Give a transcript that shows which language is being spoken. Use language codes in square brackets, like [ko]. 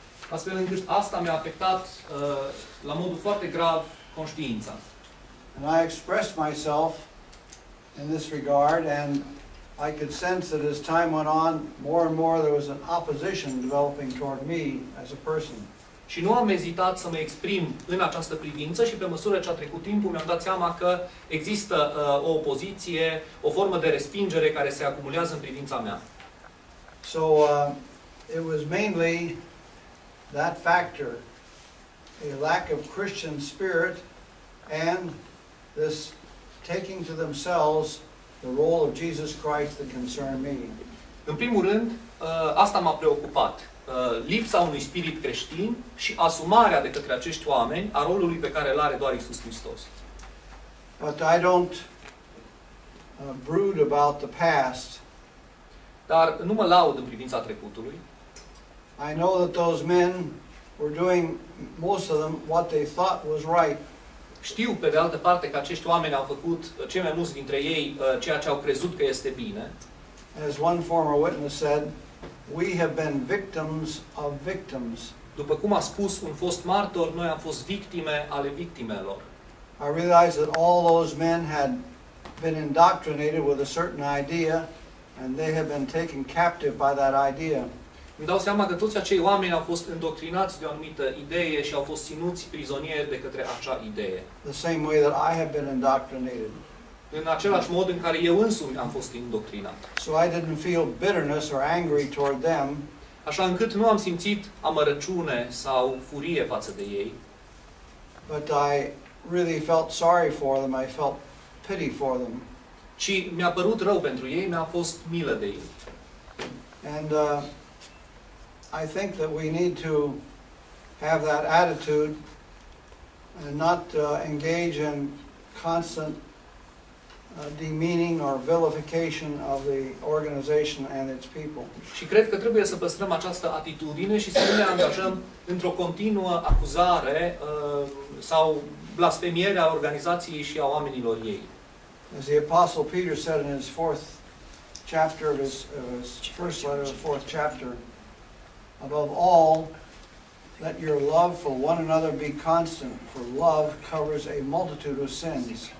[ro] Astfel încât asta mi-a afectat la modul foarte grav conștiința. [en] And I expressed myself in this regard, and I could sense that as time went on, more and more there was an opposition developing toward me as a person. [ro] Și nu am ezitat să mă exprim în această privință și pe măsură ce a trecut timpul mi-am dat seama că există o opoziție, o formă de respingere care se acumulează în privința mea. [en] So it was mainly that factor, a lack of Christian spirit and this taking to themselves the role of Jesus Christ that concerned me. [ro] În primul rând, asta m-a preocupat. Lipsa unui spirit creștin și asumarea de către acești oameni a rolului pe care îl are doar Iisus Hristos. [en] But I don't brood about the past. [ro] Dar nu mă laud în privința trecutului. [en] I know that those men were doing most of them what they thought was right. [ro] Știu pe de altă parte că acești oameni au făcut cei mai mulți dintre ei ceea ce au crezut că este bine. [en] As one former witness said, we have been victims of victims. [ro] După cum a spus un fost martor, noi am fost victime ale victimelor. [en] I realized that all those men had been indoctrinated with a certain idea and they had been taken captive by that idea. [ro] Mi dau seama că toți acei oameni au fost îndoctrinați de o anumită idee și au fost ținuți prizonieri de către acea idee. [en] The same way that I have been indoctrinated. [ro] În același mod în care eu însumi am fost indoctrinat. [en] So I didn't feel bitterness or angry toward them. [ro] Așa încât nu am simțit amărăciune sau furie față de ei. [en] But I really felt sorry for them. I felt pity for them. [ro] Ci mi-a părut rău pentru ei, mi-a fost milă de ei. [en] And I think that we need to have that attitude and not engage in constant demeaning or vilification of the organization and its people. [ro] Și cred că trebuie să păstrăm această atitudine și să nu ne angajăm într-o continuă acuzare sau blasfemiere a organizației și a oamenilor ei. [en] As the Apostle Peter said in his fourth chapter of his first letter, the fourth chapter, above all, let your love for one another be constant, for love covers a multitude of sins.